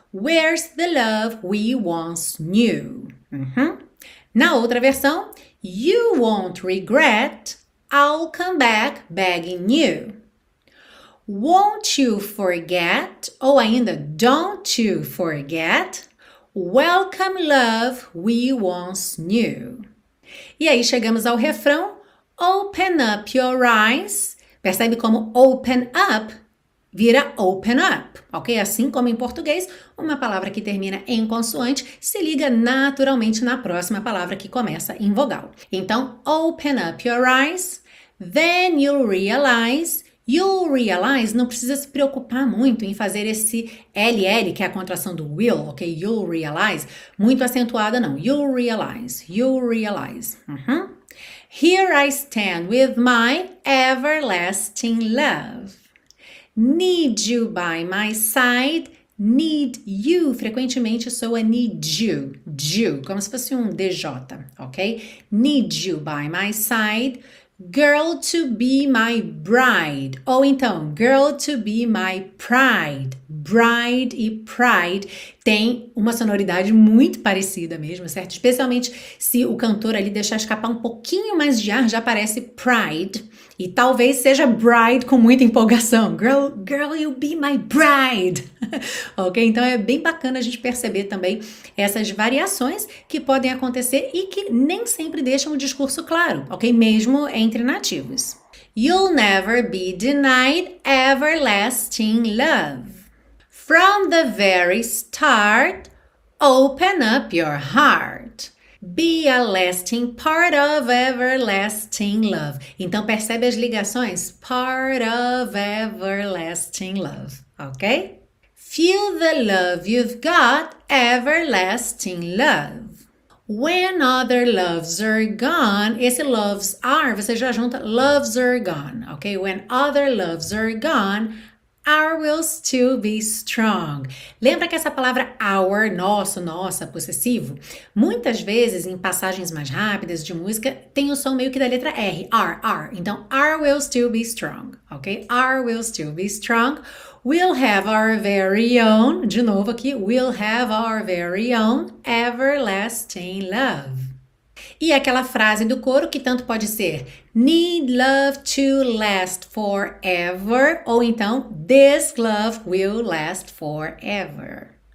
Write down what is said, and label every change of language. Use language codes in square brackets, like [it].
[en] Where's the love we once knew? [pt] Na outra versão, [en] you won't regret, I'll come back begging you. Won't you forget? [pt] Ou ainda, [en] don't you forget? Welcome love we once knew. [pt] E aí chegamos ao refrão, [en] open up your eyes. [pt] Percebe como open up vira open up, ok? Assim como em português, uma palavra que termina em consoante se liga naturalmente na próxima palavra que começa em vogal. [en] Então, open up your eyes, then you'll realize. You'll realize, [pt] não precisa se preocupar muito em fazer esse LL, que é a contração do will, ok? [en] You'll realize, [pt] muito acentuada, não. [en] You'll realize, you'll realize. Here I stand with my everlasting love. Need you by my side, need you, [pt] frequentemente soa [en] need you, [pt] como se fosse um DJ, ok? [en] Need you by my side, girl to be my bride, [pt] ou então, [en] girl to be my pride, bride e pride [pt] tem uma sonoridade muito parecida mesmo, certo? Especialmente se o cantor ali deixar escapar um pouquinho mais de ar, já parece pride. E talvez seja bride com muita empolgação. [en] Girl, girl, you'll be my bride. Ok? [pt] Então é bem bacana a gente perceber também essas variações que podem acontecer e que nem sempre deixam o discurso claro, ok? Mesmo entre nativos. [en] You'll never be denied everlasting love. From the very start, open up your heart. Be a lasting part of everlasting love. [pt] Então percebe as ligações? [en] Part of everlasting love, ok? Feel the love you've got, everlasting love. When other loves are gone, esse loves are, [pt] você já junta [en] loves are gone, ok? When other loves are gone, our will still be strong. [pt] Lembra que essa palavra our, nosso, nossa, possessivo? Muitas vezes, em passagens mais rápidas de música, tem o som meio que da letra R, R. [en] Então, our will still be strong, ok? Our will still be strong. We'll have our very own, [pt] de novo aqui, [en] we'll have our very own everlasting love. [pt] E aquela frase do coro que tanto pode ser [en] need love to last forever, [pt] ou então [en] this love will last forever.